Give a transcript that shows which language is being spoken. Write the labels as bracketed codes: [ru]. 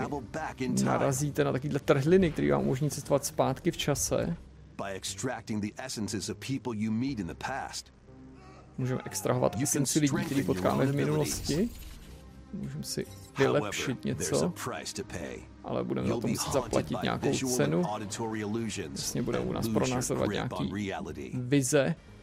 [cs] Taky narazíte na takovýhle trhliny, které vám umožní cestovat zpátky v čase. [en] By extracting the essences of people you meet in the past. [cs] Můžeme extrahovat esenci lidí, který potkáme v minulosti. Můžeme si vylepšit něco, ale budeme za to muset zaplatit nějakou cenu. Vlastně bude u nás pronásledovat nějaký vize.